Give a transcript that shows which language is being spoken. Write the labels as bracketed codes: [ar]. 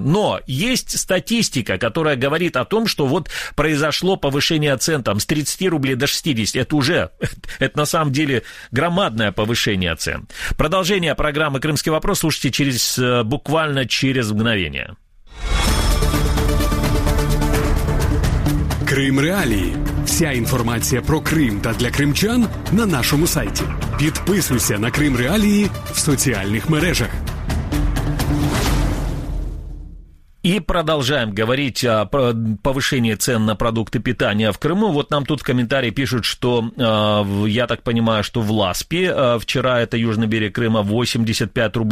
[ru] Но есть статистика, которая говорит о том, что вот произошло повышение цен там с 30 рублей до 60. Это уже, это на самом деле громадное повышение цен. Продолжение программы «Крымский вопрос» слушайте через, буквально через мгновение. [uk] Крым реалії. Вся інформація про Крим та для кримчан на нашому сайті. Підписуйся на Крим реалії в соціальних мережах. [ru] И продолжаем говорить о повышении цен на продукты питания в Крыму. Вот нам тут в комментарии пишут, что, я так понимаю, что в ЛАСПе, вчера это Южный берег Крыма, 85 рублей.